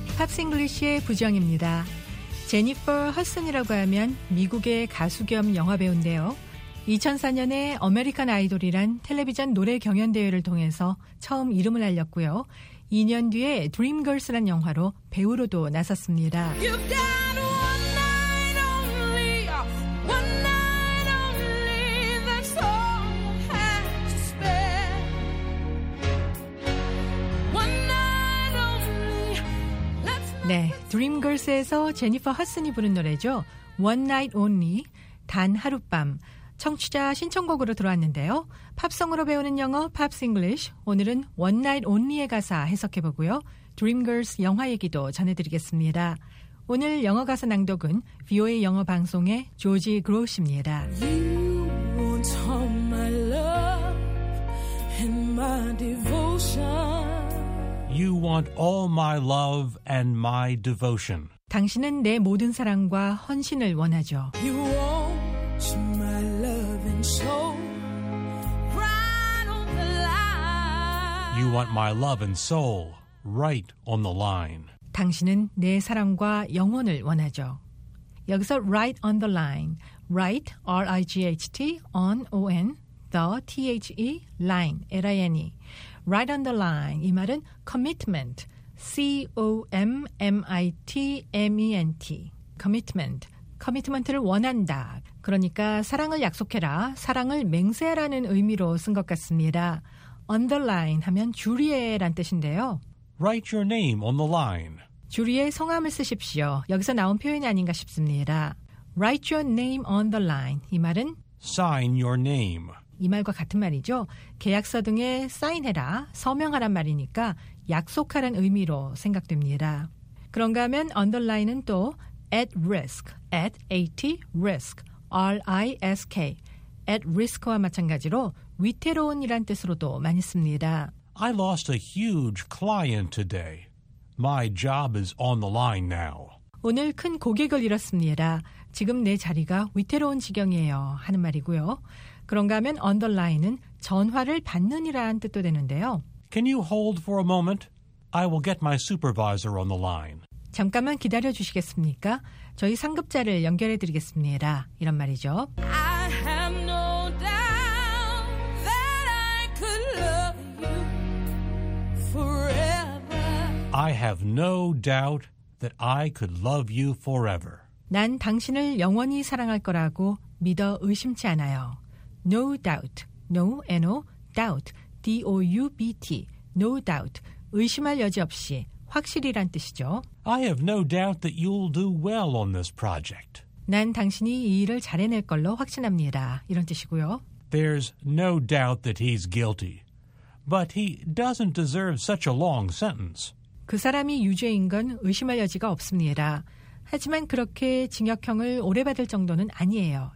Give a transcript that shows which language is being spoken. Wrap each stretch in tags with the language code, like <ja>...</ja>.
<ko>팝스 잉글리쉬의 부정입니다. 제니퍼 허슨이라고 하면 미국의 가수 겸 영화배우인데요. 2004년에 아메리칸 아이돌이란 텔레비전 노래 경연 대회를 통해서 처음 이름을 알렸고요. 2년 뒤에 드림걸스란 영화로 배우로도 나섰습니다.</ko> <en>You've got one night only, one night only, that's all I have to spare. One night only, let's go.</en> <ko>네, 드림걸스에서 제니퍼 허슨이 부른 노래죠.</ko> <en>One night only,</en> <ko>단 하룻밤. 청취자 신청곡으로 들어왔는데요. 팝송으로 배우는 영어 팝스 잉글리쉬. 오늘은 One Night Only의 가사 해석해보고요. Dreamgirls 영화 얘기도 전해드리겠습니다. 오늘 영어 가사 낭독은 VOA 영어 방송의 조지 그로우입니다.</ko> <en>You won't hurt my love and my devotion. You want all my love and my devotion.</en> <ko>당신은 내 모든 사랑과 헌신을 원하죠.</ko> <en>You want my love and soul. You want my love and soul right on the line.</en> <ko>당신은 내 사랑과 영혼을 원하죠. 여기서</ko> <en>right on the line, right, R-I-G-H-T, on, O-N, the, T-H-E, line, L-I-N-E. Right on the line,</en> <ko>이 말은</ko> <en>commitment, C-O-M-M-I-T-M-E-N-T, commitment, commitment를</en> <ko>원한다. 그러니까 사랑을 약속해라, 사랑을 맹세하라는 의미로 쓴 것 같습니다.</ko> <en>On the line</en> <ko>하면 줄이에란 뜻인데요.</ko> <en>Write your name on the line.</en> <ko>주리의 성함을 쓰십시오. 여기서 나온 표현이 아닌가 싶습니다.</ko> <en>Write your name on the line.</en> <ko>이 말은</ko> <en>Sign your name.</en> <ko>이 말과 같은 말이죠. 계약서 등에 사인해라, 서명하란 말이니까 약속하란 의미로 생각됩니다. 그런가 하면</ko> <en>on the line은 또 at risk, at A-T, risk, R-I-S-K.</en> <ko>At risk와 마찬가지로 위태로운이란 뜻으로도 많이 씁니다.</ko> <en>I lost a huge client today. My job is on the line now.</en> <ko>오늘 큰 고객을 잃었습니다. 지금 내 자리가 위태로운 지경이에요 하는 말이고요. 그런가 하면</ko> <en>on the line</en> <ko>은 전화를 받는이라는 뜻도 되는데요.</ko> <en>Can you hold for a moment? I will get my supervisor on the line.</en> <ko>잠깐만 기다려 주시겠습니까? 저희 상급자를 연결해 드리겠습니다. 이런 말이죠.</ko> <en>I have no doubt that I could love you forever. I have no doubt that I could love you forever.</en> <ko>난 당신을 영원히 사랑할 거라고 믿어 의심치 않아요.</ko> <en>No doubt. No, N-O, doubt. D-O-U-B-T. No doubt.</en> <ko>의심할 여지 없이 확실이란 뜻이죠.</ko> <en>I have no doubt that you'll do well on this project.</en> <ko>난 당신이 이 일을 잘해낼 걸로 확신합니다. 이런 뜻이고요.</ko> <en>There's no doubt that he's guilty. But he doesn't deserve such a long sentence.</en> <ko>그 사람이 유죄인 건 의심할 여지가 없습니다. 하지만 그렇게 징역형을 오래 받을 정도는 아니에요.</ko>